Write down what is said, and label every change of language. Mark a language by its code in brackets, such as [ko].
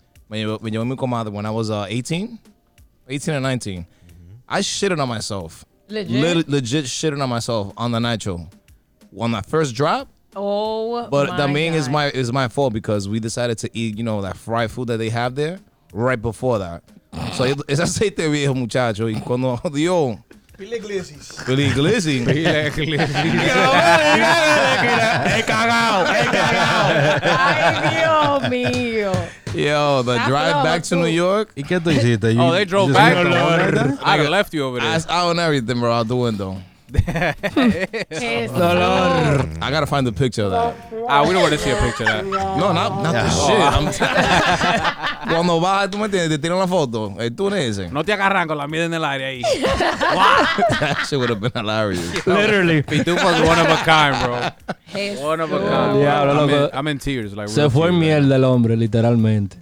[en] When I was 18 or 19, I shitted on myself. Legit shitting on myself on the Nitro on that first drop. Oh, but my main God. is my fault because we decided to eat, you know, that fried food that they have there right before that. [es] So es aceite viejo, muchacho, y cuando dio. Pile Iglesias. He cagao. Ay, Dios mío. [en] Yo, the drive back to New York. [es] ¿Y qué tú hiciste? [en] Oh, they drove back. I left you over there. Ass out and everything, bro, out the window. [es] Dolor. [en] I gotta find the picture of that. Ah, we don't want to see a picture of that. No, not the shit. [es] Cuando va, tú me entiendes, te tiran la foto. El tú ese. No te agarran con la mierda en el aire ahí. [en] That shit would have been hilarious. Literally. Pitufo's one of a kind, bro. One of a kind. Yeah, I'm in tears. Like, [es] se fue mierda el hombre, literalmente.